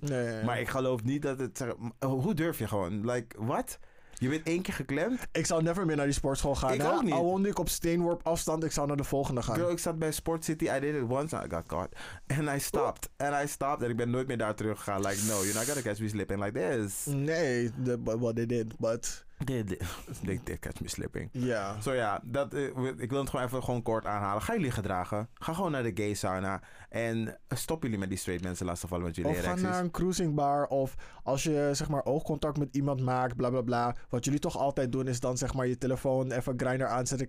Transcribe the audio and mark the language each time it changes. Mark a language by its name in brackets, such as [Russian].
[Dutch] Nee. Maar ik geloof niet dat het... Hoe durf je gewoon? [English] Like, what? [Dutch] Je bent één keer geklemd? Ik zou never meer naar die sportschool gaan. Ik ook niet. Al woonde ik op steenworp afstand, ik zou naar de volgende gaan. [English] Girl, [Dutch] ik zat bij [English] Sport City, I did it once, I got caught. And I stopped. Oeh. And I stopped [Dutch] en ik ben nooit meer daar terug gegaan. [English] Like, no, you're not gonna catch me slipping like this. Nee, but they did, but... They did catch me slipping. [Dutch] Ja. Zo ja, ik wil het gewoon even gewoon kort aanhalen. Ga jullie gedragen. Ga gewoon naar de gay sauna. En stop jullie met die straight mensen lastigvallen met jullie of erecties. Of ga naar een cruising bar. Of als je zeg maar oogcontact met iemand maakt, bla bla bla. Wat jullie toch altijd doen is dan zeg maar je telefoon even Grindr aanzetten.